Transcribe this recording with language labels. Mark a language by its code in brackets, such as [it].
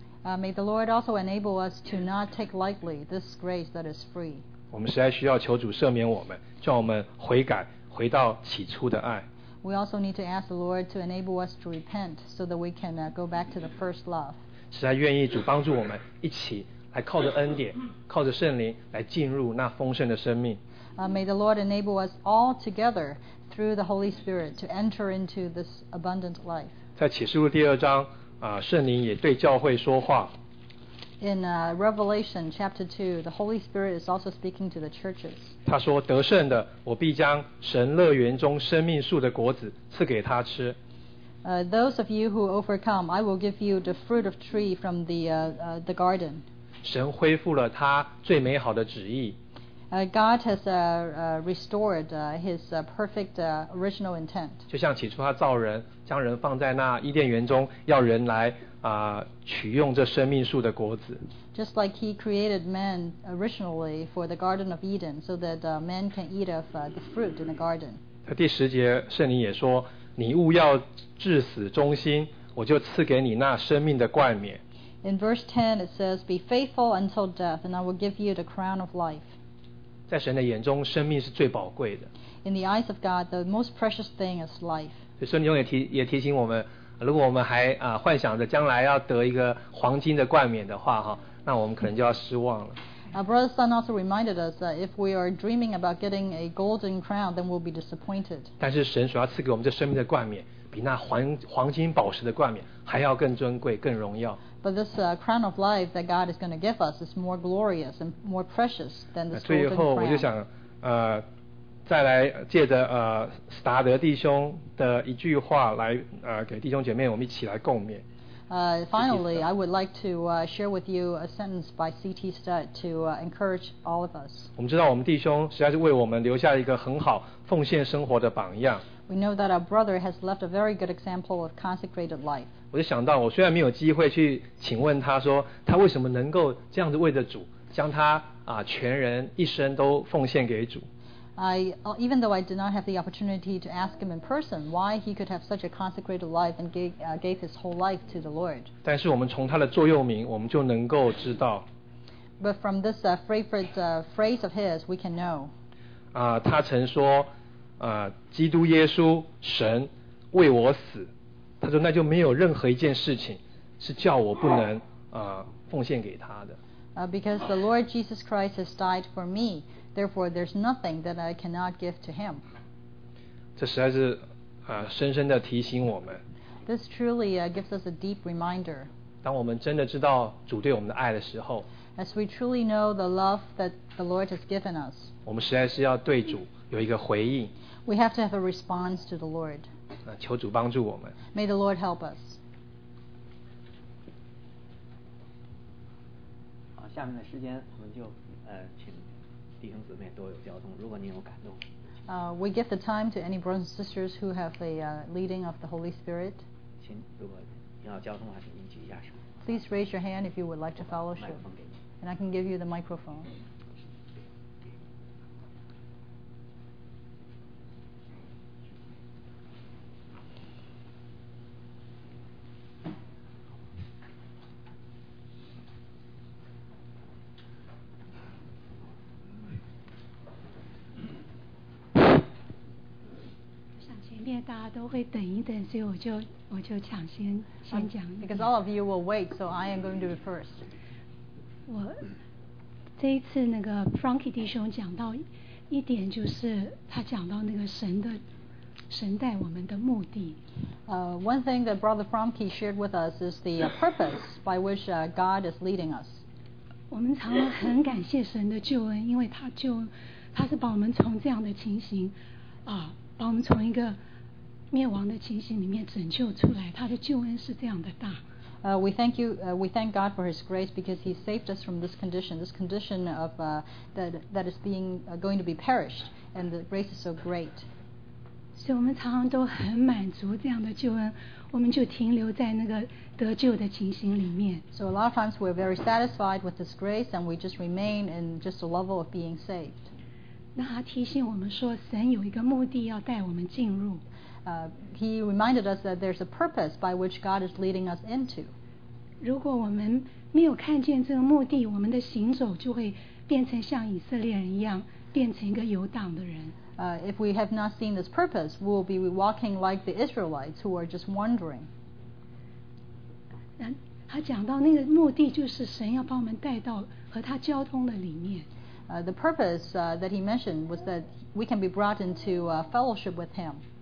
[en] May the Lord also enable us to not take lightly this grace that is free. [zh] 我们实在需要求主赦免我们，叫我们悔改，回到起初的爱。 [en] We also need to ask the Lord to enable us to repent so that we can go back to the first love. [zh] 实在愿意主帮助我们一起来靠着恩典，靠着圣灵来进入那丰盛的生命。 [en] May the Lord enable us all together through the Holy Spirit to enter into this abundant life. [zh] 在启示录第二章圣灵也对教会说话。 [en] In Revelation chapter 2, the Holy Spirit is also speaking to the churches. [zh] 他说得胜的，我必将神乐园中生命树的果子赐给他吃。 [en] Those of you who overcome, I will give you the fruit of tree from the garden. [zh] 神恢复了他最美好的旨意。 [en] God has restored his perfect original intent. [zh] 就像起初他造人，将人放在那伊甸园中，要人来取用这生命树的果子。 [en] Just like he created man originally for the Garden of Eden, so that man can eat of the fruit in the garden. [zh] 第十节圣灵也说，你务要至死忠心，我就赐给你那生命的冠冕。 [en] In verse 10 it says, be faithful until death, and I will give you the crown of life. [zh] 在神的眼中，生命是最宝贵的。 [en] In the eyes of God, the most precious thing is life. [zh] 圣经中也提醒我们，如果我们还幻想着将来要得一个黄金的冠冕的话，那我们可能就要失望了。 [en] Brother Sun also reminded us that if we are dreaming about getting a golden crown, then we'll be disappointed. [zh] 但是神所要赐给我们这生命的冠冕，比那黄金宝石的冠冕还要更尊贵、更荣耀。 [en] But this crown of life that God is going to give us is more glorious and more precious than this golden crown. [zh] 最后我就想再来借着史达德弟兄的一句话来给弟兄姐妹，我们一起来共勉。 [en] Finally, I would like to share with you a sentence by C.T. Studd to encourage all of us. [zh] 我们知道我们弟兄实在是为我们留下一个很好奉献生活的榜样。 [en] We know that our brother has left a very good example of consecrated life. [zh] 我就想到，我虽然没有机会去请问他说他为什么能够这样子为着主，将他全人一生都奉献给主。 [en] Even though I did not have the opportunity to ask him in person why he could have such a consecrated life and gave his whole life to the Lord. [zh] 但是我们从他的座右铭，我们就能够知道。 [en] But from this favorite phrase of his, we can know. [zh] 他曾说，基督耶稣神为我死，他说那就没有任何一件事情是叫我不能奉献给他的。 [en] Because the Lord Jesus Christ has died for me. Therefore, there's nothing that I cannot give to him. [zh] 这实在是深深地提醒我们。 [en] This truly gives us a deep reminder. [zh] 当我们真的知道主对我们的爱的时候， [en] As we truly know the love that the Lord has given us, [zh] 我们实在是要对主有一个回应。 [en] We have to have a response to the Lord. [zh] 求主帮助我们。 [en] May the Lord help us. [zh] 好，下面的时间我们就请弟兄姊妹都有交通，如果你有感动。 [en] We give the time to any brothers and sisters who have the leading of the Holy Spirit. [zh] 请，如果你要交通，还是您举一下手。 [en] Please raise your hand if you would like to fellowship. And I can give you the microphone. [zh] 大家都会等一等，所以我就抢先讲。 [en] Because all of you will wait, so I am going to be first. [zh] 我这一次那个 Frankie 弟兄讲到一点，就是他讲到那个神带我们的目的。 [en] One thing that Brother Frankie shared with us is the purpose by which God is leading us. [zh] 我们常常很感谢神的救恩，因为他是把我们从这样的情形把我们从一个灭亡的情形里面拯救出来，他的救恩是这样的大。 [en] We thank God for His grace because He saved us from this condition. This condition of that is being going to be perished, and the grace is so great. [zh] 所以我们常常都很满足这样的救恩。我们就停留在那个得救的情形里面。 [en] So a lot of times we're very satisfied with this grace and we just remain in just the level of being saved. [zh] 那他提醒我们说神有一个目的要带我们进入。 [en] He reminded us that there's a purpose by which God is leading us into. [zh] 如果我们没有看见这个目的，我们的行走就会变成像以色列人一样，变成一个游荡的人。 [en] If we have not seen this purpose, we'll be walking like the Israelites who are just wandering. [zh] 他讲到那个目的就是神要把我们带到和他交通的里面。 [en] The purpose that he mentioned was that we can be brought into fellowship with him.